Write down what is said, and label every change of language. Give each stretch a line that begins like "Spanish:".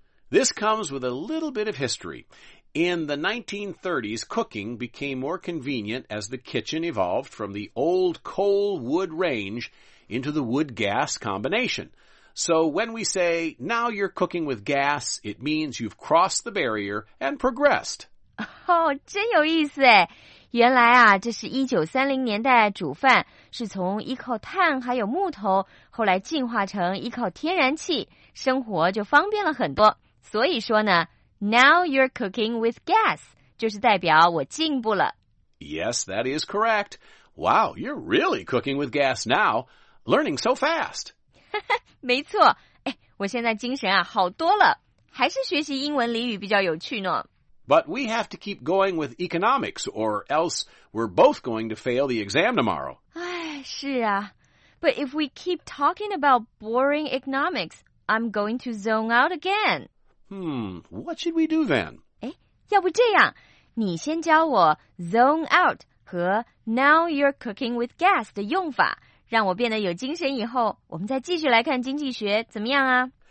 English: This comes with a little bit of history. In the 1930s, cooking became more convenient as the kitchen evolved from the old coal-wood range into the wood-gas combination. So when we say, now you're cooking with gas, it means you've crossed the barrier and progressed.
Chinese: 真有意思哎！原来啊，这是1930年代煮饭，是从依靠碳还有木头，后来进化成依靠天然气，生活就方便了很多。所以说呢，
English: Now you're cooking with gas,
Chinese: 就是代表我进步了。
English: Yes, that is correct. Wow, you're really cooking with gas now, learning so fast.
Chinese: 没错，我现在精神啊好多了，还是学习英文俚语比较有趣呢。
English: But we have to keep going with economics, or else we're both going to fail the exam tomorrow. 哎，是啊。 But if we keep talking about boring economics, I'm going to zone out again. What should we do then?
Chinese: 哎，要不这样，你先教我 zone out 和
English: now you're cooking with gas
Chinese: 的用法，让我变得有精神以后，我们再继续来看经济学，怎么样啊？